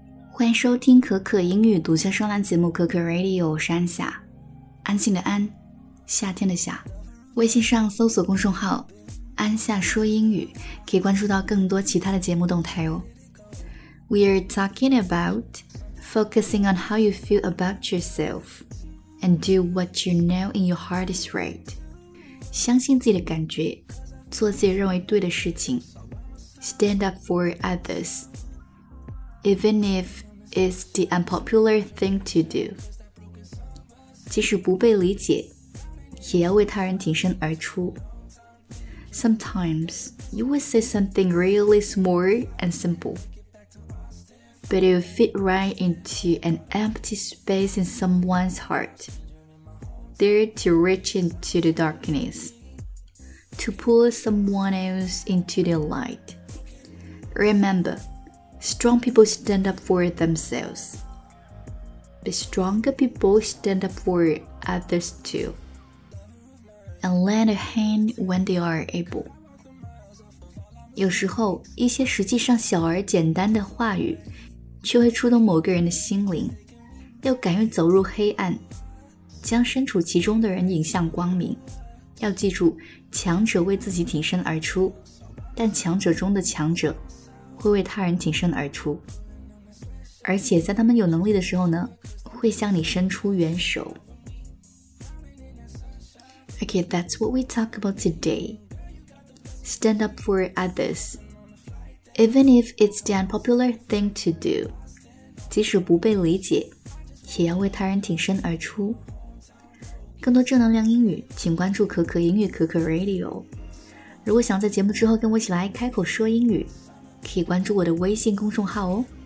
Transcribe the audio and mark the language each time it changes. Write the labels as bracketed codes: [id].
[zh] 欢迎收听可可英语独家专栏节目《可可 Radio》，我是安夏，安静的安，夏天的夏。微信上搜索公众号“安夏说英语”，可以关注到更多其他的节目动态哦。 [en] We are talking about focusing on how you feel about yourself and do what you know in your heart is right. [zh] 相信自己的感觉，做自己认为对的事情。 [en] Stand up for others. Even if it's the unpopular thing to do. [zh] 即使不被理解，也要为他人挺身而出。 [en] Sometimes you will say something really small and simple, but it will fit right into an empty space in someone's heart, there to reach into the darkness, to pull someone else into the light. Remember,Strong people stand up for themselves. But stronger people stand up for others too. And lend a hand when they are able. [zh] 有时候，一些实际上小而简单的话语，却会触动某个人的心灵。要敢于走入黑暗，将身处其中的人引向光明。要记住，强者为自己挺身而出，但强者中的强者会为他人挺身而出，而且在他们有能力的时候呢，会向你伸出援手。 [en] Okay, that's what we talk about today. Stand up for others, even if it's the unpopular thing to do. [zh] 即使不被理解，也要为他人挺身而出。更多正能量英语，请关注可可英语可可 Radio。如果想在节目之后跟我一起来开口说英语，可以关注我的微信公众号哦。